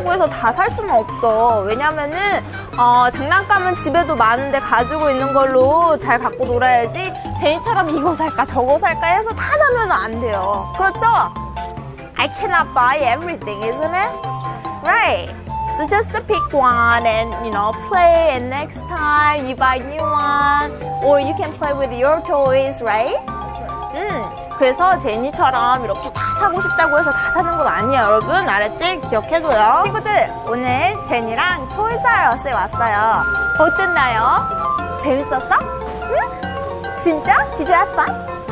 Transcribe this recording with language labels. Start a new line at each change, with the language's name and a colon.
Korean: 다 살 수는 없어. 왜냐면은 장난감은 집에도 많은데 가지고 있는 걸로 잘 갖고 놀아야지 제이처럼 이거 살까 저거 살까 해서 다 사면 안 돼요. 그렇죠?
English: I cannot buy everything, isn't it? Right. So just pick one and you know play and next time you buy new one or you can play with your toys, right?
Korean: 그래서 제니처럼 이렇게 다 사고 싶다고 해서 다 사는 건 아니에요, 여러분. 알았지? 기억해둬요. 친구들, 오늘 제니랑 토이스아러스에 왔어요. 어땠나요? 재밌었어? 응? 진짜?
English: Did you have fun?